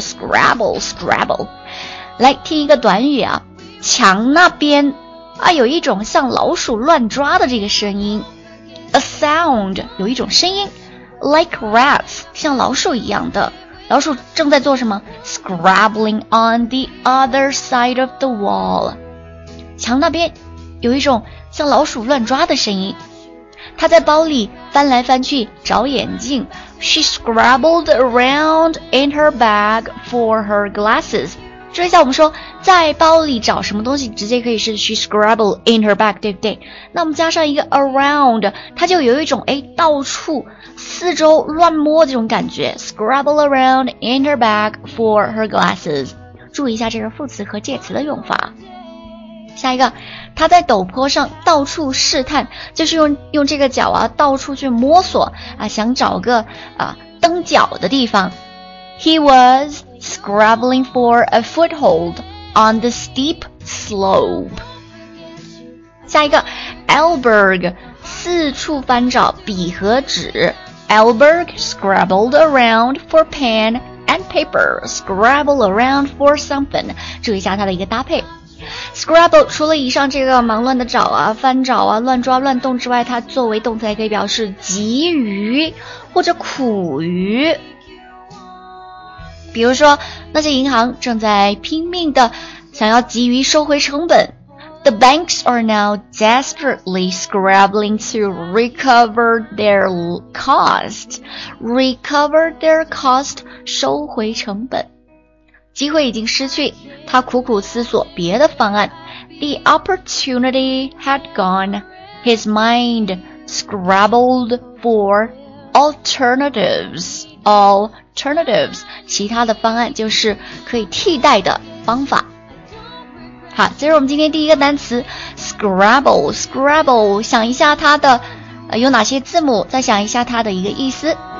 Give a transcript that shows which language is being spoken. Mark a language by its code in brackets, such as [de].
[zh] Scrabble Scrabble， 来听一个短语啊，墙那边啊有一种像老鼠乱抓的这个声音 ， [en] a sound， [zh] 有一种声音 ， [en] like rats， [zh] 像老鼠一样的，老鼠正在做什么 ？ [en] Scrabbling on the other side of the wall， [zh] 墙那边。有一种像老鼠乱抓的声音，他在包里翻来翻去找眼镜。 [en] She scrabbled around in her bag for her glasses。 [zh] 注意一下，我们说在包里找什么东西，直接可以是 [en] she scrabbled in her bag， [zh] 对不对？那我们加上一个 around， 它就有一种哎到处四周乱摸这种感觉。 [en] Scrabble around in her bag for her glasses。 [zh] 注意一下这个副词和介词的用法。下一个，他在陡坡上到处试探，就是用这个脚啊到处去摸索啊，想找个啊蹬脚的地方。 [en] He was scrabbling for a foothold on the steep slope。 [zh] 下一个 Elberg 四处翻找笔和纸。 [en] Elberg scrabbled around for pen and paper. Scrabble around for something. [zh] 注意一下它的一个搭配。Scrabble 除了以上这个忙乱的找啊、翻找啊、乱抓乱动之外，它作为动词还可以表示急于或者苦于。比如说，那些银行正在拼命的想要急于收回成本。 [en] The banks are now desperately scrambling to recover their cost. Recover their cost, [zh] 收回成本。机会已经失去，他苦苦思索别的方案。 [en] The opportunity had gone. His mind scrabbled for alternatives. [zh] Alternatives, 其他的方案就是可以替代的方法。好，这是我们今天第一个单词 Scrabble, Scrabble, 想一下它的有哪些字母，再想一下它的一个意思。